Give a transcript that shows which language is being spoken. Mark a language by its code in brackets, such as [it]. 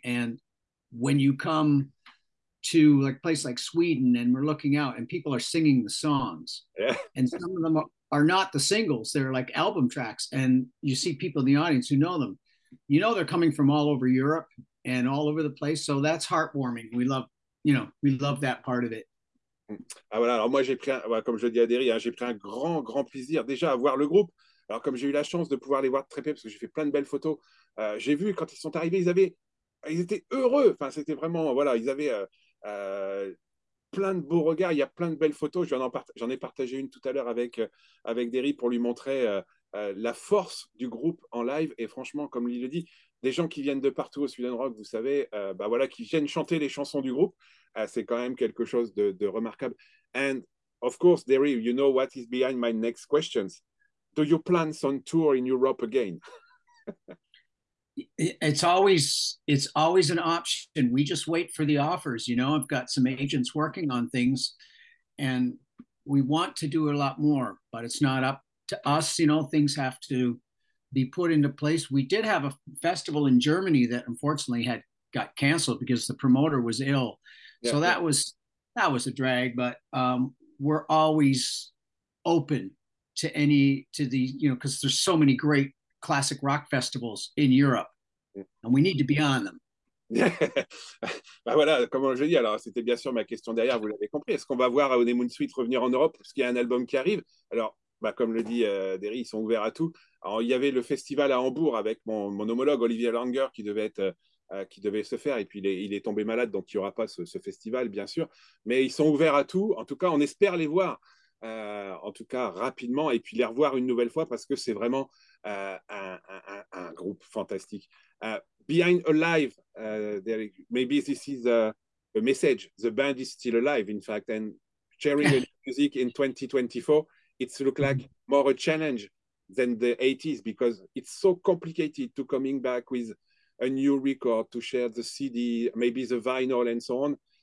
[en] And when you come to like a place like Sweden and we're looking out and people are singing the songs, yeah. And some of them are not the singles, they're like album tracks, and you see people in the audience who know them, you know, they're coming from all over Europe and all over the place. So that's heartwarming. We love, you know, we love that part of it. [fr] Ah voilà, alors moi j'ai pris, comme je dis à Derry, hein, j'ai pris un grand, grand plaisir déjà à voir le groupe. Alors comme j'ai eu la chance de pouvoir les voir de très près, parce que j'ai fait plein de belles photos, j'ai vu quand ils sont arrivés, ils étaient heureux. Enfin, c'était vraiment, voilà, ils avaient plein de beaux regards, il y a plein de belles photos. J'en ai partagé une tout à l'heure avec Derry pour lui montrer la force du groupe en live. Et franchement, comme il le dit, des gens qui viennent de partout au Sweden Rock, vous savez, bah voilà, qui viennent chanter les chansons du groupe, c'est quand même quelque chose de remarquable. [en] And of course, Derry, you know what is behind my next questions. Do you plan some tour in Europe again? It's always an option. We just wait for the offers, you know. I've got some agents working on things, and we want to do a lot more, but it's not up to us, you know. Things have to be put into place. We did have a festival in Germany that unfortunately had got canceled because the promoter was ill. Yeah, so yeah. That was a drag, but we're always open to any, to the, you know, because there's so many great classic rock festivals in Europe, yeah. And we need to be on them. [fr] Bah voilà, comme je dis, alors c'était bien sûr ma question derrière, vous l'avez compris. Est-ce qu'on va voir One Moon Suite revenir en Europe parce qu'il y a un album qui arrive? Alors, bah, comme le dit Derry, ils sont ouverts à tout. Alors, il y avait le festival à Hambourg avec mon homologue Olivier Langer qui devait se faire, et puis il est tombé malade, donc il n'y aura pas ce festival, bien sûr. Mais ils sont ouverts à tout. En tout cas, on espère les voir, en tout cas rapidement, et puis les revoir une nouvelle fois, parce que c'est vraiment un groupe fantastique. [en] Behind Alive, Derry, maybe this is a message. The band is still alive, in fact, and sharing music in 2024. It's look like more a challenge than the 80s because it's so complicated to coming back with a new record, to share the CD, maybe the vinyl and so on.